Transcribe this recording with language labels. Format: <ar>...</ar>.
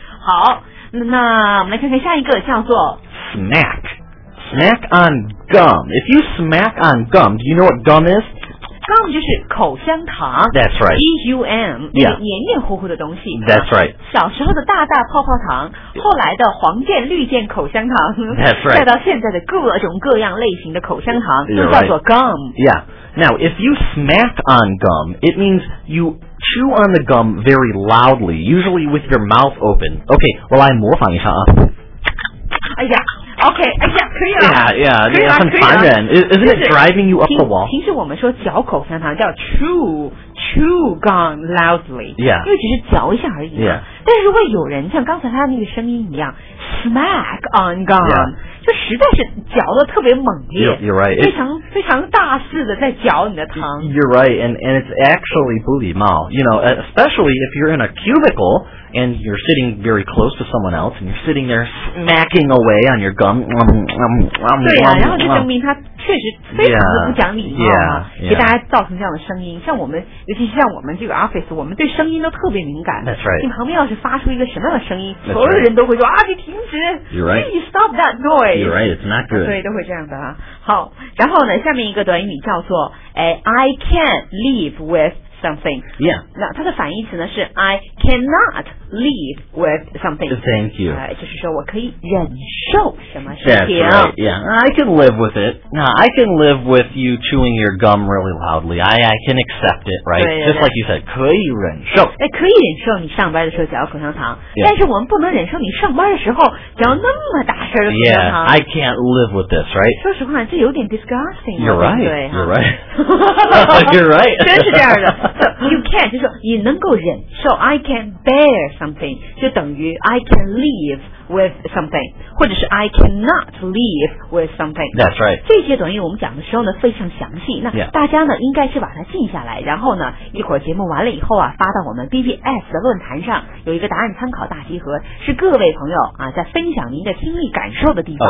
<zh>好，那我们来看看下一个叫做</zh> <en>smack. Smack on gum. If you smack on gum, do you know what gum is?</en> <zh>Gum 就是口香糖。</zh> <en>That's right.</en> <zh>G-U-M. 那个黏黏糊糊的东西。</zh> <en>That's right.</en> <zh>小时候的大大泡泡糖，后来的黄健绿健口香糖。</zh> <en>That's right.</en> <zh>再到现在的各种各样类型的口香糖，都叫做 gum.</zh> <en>Yeah. Now, if you smack on gum, it means you... Chew on the gum very loudly, usually with your mouth open. Okay, well, I</en> <zh>模仿一下啊。哎呀 ，Okay， 哎呀，可以了。</zh> <en>Yeah,</en> <zh>很烦人。</zh> <en>Isn't it driving you up the wall?</en> <zh>平时我们说嚼口香糖叫 chew gum loudly.</zh> <en>Yeah.</en> <zh>因为只是嚼一下而已。</zh> <en>Yeah.</en> <zh>但是如果有人像刚才他那个声音一样 smack on gum、</zh> <en>yeah.</en> <zh>就实在是嚼得特别猛烈</zh> <en>you're right.</en> <zh>非常大肆的在嚼你的糖</zh> <en>You're right, and it's actually</en> <zh>不礼貌</zh> <en>You know, especially if you're in a cubicle And you're sitting very close to someone else And you're sitting there smacking away on your gum</en> <zh>对啊，然后就证明他确实非常的不讲礼貌</zh> <en>yeah.</en> <zh>给大家造成这样的声音像我们尤其是像我们这个 office 我们对声音都特别敏感</zh> <en>That's right.</en> <zh>你旁边要是发出一个什么样的声音、</zh> <en>That's、</en> <zh>所有人都会说、</zh> <en>right.</en> <zh>啊，你停止</zh> <en>You're right. Please stop that noise You're right, it's not good.</en> <zh>对，都会这样的啊。好，然后呢，下面一个短语叫做，哎 ，I can't live with something.</zh> <en>Yeah.</en> <zh>那它的反义词呢是 I cannot live with something.</zh> <en>Thank you.</en> <zh>哎，就是说我可以忍受什么事情。</zh> <en>That's right. Yeah, I can live with it. Now, I can live with you chewing your gum really loudly. I can accept it, right?</en> <zh>对对对</zh> <en>Just like you said,</en> <zh>可以忍受。哎，可以忍受你上班的时候嚼口香糖，</zh> <en>yeah.</en> <zh>但是我们不能忍受你上班的时候嚼那么大声的口香糖。</zh> <en>Yeah, I can't live with this, right?</en> <zh>说实话，这有点 disgusting.</zh> <en>You're right.</en> <zh>对对</zh> <en>You're right. You're right.</en> <zh>真是这样的。</zh> <en>So, you can</en> <zh>就是你能够忍受</zh> <en>I can bear something</en> <zh>就等于</zh> <en>I can live with something</en> <zh>或者是</zh> <en>I cannot live with something That's right</en> <zh>这些短语我们讲的时候呢非常详细那大家呢应该是把它记下来然后呢一会儿节目完了以后啊发到我们 BBS 的论坛上有一个答案参考大集合是各位朋友啊在分享您的听力感受的地方</zh>